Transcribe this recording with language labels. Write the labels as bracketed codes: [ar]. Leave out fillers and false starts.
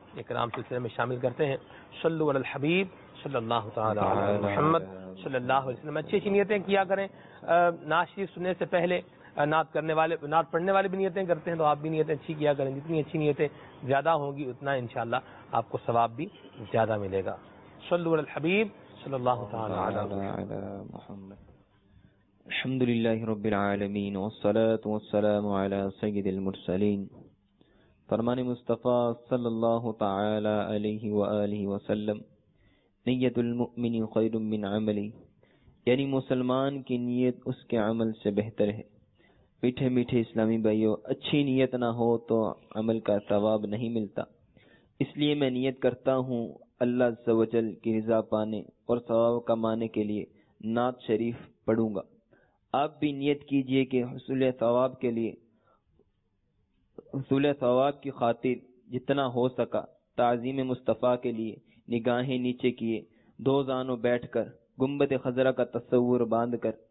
[ur] ایک کلام سلسلے میں شامل کرتے ہیں، [ar] صلوا علی الحبیب صلی اللہ تعالی علی محمد صلی اللہ علیہ وسلم. [ur] اچھی اچھی نیتیں کیا کریں، نعت شریف سننے سے پہلے نعت کرنے والے، نعت پڑھنے والے بھی نیتیں کرتے ہیں، تو آپ بھی نیتیں اچھی کیا کریں. جتنی اچھی نیتیں زیادہ ہوں گی اتنا انشاءاللہ آپ کو ثواب بھی زیادہ ملے گا. [ar] صلوا علی الحبیب صلی اللہ تعالی علی محمد. الحمد لله رب العالمين والصلاة والسلام على سيد المرسلين فرمان مصطفى صلى الله تعالى عليه وآله وسلم نية المؤمن خير من عمله، [ur] یعنی مسلمان کی نیت اس کے عمل سے بہتر ہے. میٹھے میٹھے اسلامی بھائیو، اچھی نیت نہ ہو تو عمل کا ثواب نہیں ملتا، اس لیے میں نیت کرتا ہوں اللہ عز و جل کی رضا پانے اور ثواب کمانے کے لیے نعت شریف پڑھوں گا. آپ بھی نیت کیجئے کہ حصول ثواب کے لیے، حصول ثواب کی خاطر جتنا ہو سکا تعظیم مصطفیٰ کے لیے نگاہیں نیچے کیے، دو زانوں بیٹھ کر گنبد خضرا کا تصور باندھ کر